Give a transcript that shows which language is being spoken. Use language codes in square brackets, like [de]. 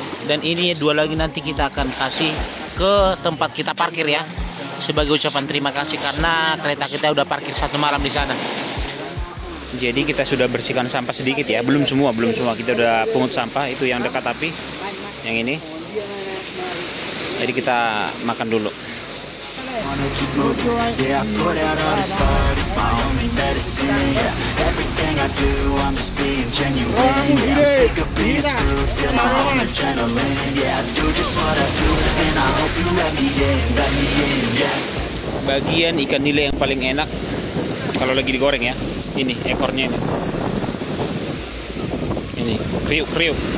[id] Dan ini dua lagi nanti kita akan kasih ke tempat kita parkir ya, sebagai ucapan terima kasih karena kereta kita udah parkir satu malam di sana. Jadi kita sudah bersihkan sampah sedikit ya, belum semua. Kita udah pungut sampah itu yang dekat api, yang ini. Jadi kita makan dulu. [en] Wanna keep moving, yeah, I put out all this art, it's my only medicine, yeah. Everything I do, I'm just being genuine, yeah. I'm sick of being screwed, feel my own adrenaline, yeah. I do just what I do, and I hope you let me in, yeah. [id] Bagian ikan nila yang paling enak kalau lagi digoreng ya, ini ekornya ini kriuk.